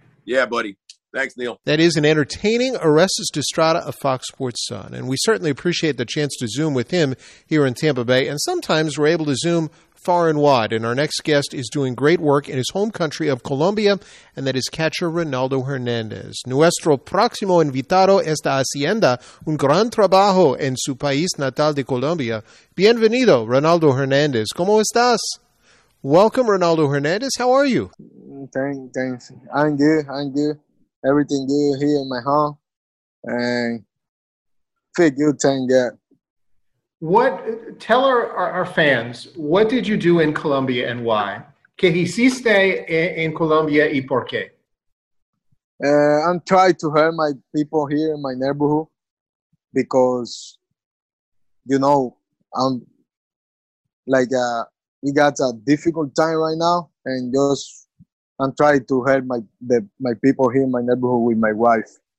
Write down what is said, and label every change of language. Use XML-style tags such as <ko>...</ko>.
<en>Yeah, buddy. Thanks, Neil. That is an entertaining Orestes Destrada of Fox Sports Sun. And we certainly appreciate the chance to Zoom with him here in Tampa Bay. And sometimes we're able to Zoom far and wide. And our next guest is doing great work in his home country of Colombia, and that is catcher Ronaldo Hernandez.</en> <es>Nuestro próximo invitado está haciendo un gran trabajo en su país natal de Colombia. Bienvenido,</es> <en>Ronaldo Hernandez.</en> <es>¿Cómo estás?</es> <en>Welcome, Ronaldo Hernandez. How are you? Thanks. I'm good. Everything good here in my home, and feel good, thank God. What, tell our fans, what did you do in Colombia and why?</en> <es>¿Qué hiciste en Colombia y por qué?</es> <en>I'm trying to help my people here in my neighborhood because, you know, I'm like, we got a difficult time right now, and just I'm trying to help my people here in my neighborhood with my wife.</en>